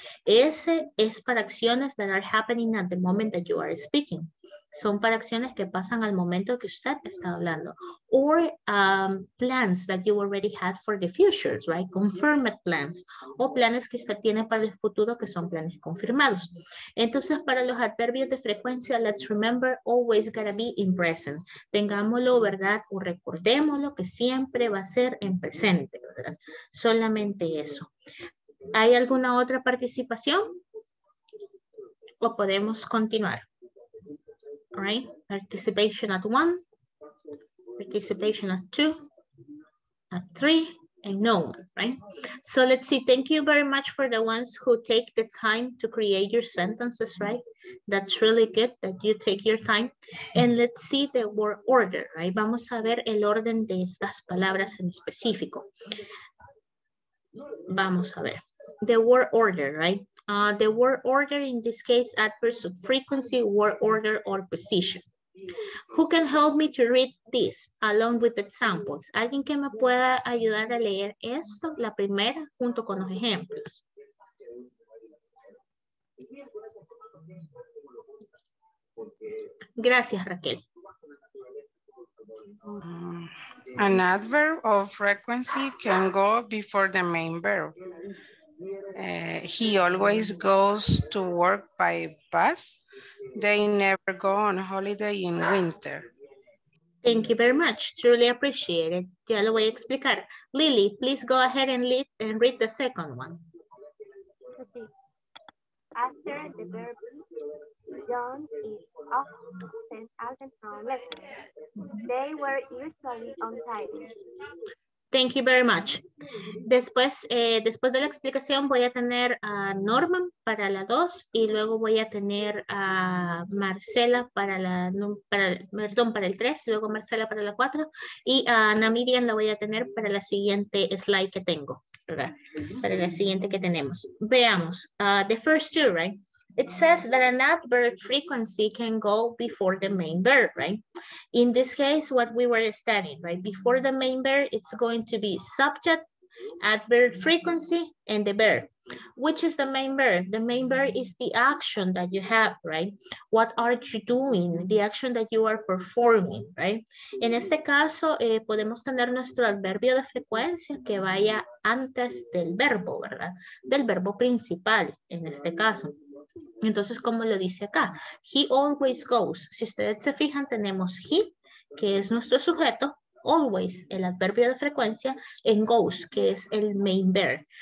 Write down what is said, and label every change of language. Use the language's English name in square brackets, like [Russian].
[Spanish] Ese es para acciones [English] that are happening at the moment that you are speaking. [Spanish] Son para acciones que pasan al momento que usted está hablando. [English] Or plans that you already had for the future, right? Confirmed plans. [Spanish] O planes que usted tiene para el futuro que son planes confirmados. Entonces, para los adverbios de frecuencia, [English] let's remember, always gotta be in present. [Spanish] Tengámoslo, ¿verdad? O recordémoslo que siempre va a ser en presente, ¿verdad? Solamente eso. ¿Hay alguna otra participación? O podemos continuar. [English] All right, participation at 1, participation at 2, at 3, and no one, right? So let's see, thank you very much for the ones who take the time to create your sentences, right? That's really good that you take your time. And let's see the word order, right? [Spanish] Vamos a ver el orden de estas palabras en específico. Vamos a ver. [English] The word order, right? The word order, in this case, adverbs of frequency, word order, or position. Who can help me to read this along with examples? [Spanish] ¿Alguien que me pueda ayudar a leer esto, la primera, junto con los ejemplos? Gracias, Raquel. [English] An adverb of frequency can go before the main verb. He always goes to work by bus. They never go on holiday in winter. Thank you very much. Truly appreciate it. [Spanish] Ya lo voy a explicar. [English] Lily, please go ahead and read the second one. Okay. After the verb, John is often absent from lesson. They were usually on time. Thank you very much. [Spanish] Después, después de la explicación voy a tener a Norman para la 2 y luego voy a tener a Marcela para la, para el 3, luego Marcela para la 4 y a Namibian la voy a tener para la siguiente slide que tengo, ¿verdad? Para la siguiente que tenemos. Veamos, [English] the first two, right? It says that an adverb frequency can go before the main verb, right? In this case, what we were studying, right? Before the main verb, it's going to be subject, adverb frequency, and the verb. Which is the main verb? The main verb is the action that you have, right? What are you doing? The action that you are performing, right? [Spanish] En este caso, podemos tener nuestro adverbio de frecuencia que vaya antes del verbo, ¿verdad? Del verbo principal, en este caso. Entonces, como lo dice acá, [English] he always goes. [Spanish] Si ustedes se fijan, tenemos he, que es nuestro sujeto, always, el adverbio de frecuencia, en goes, que es el main verb.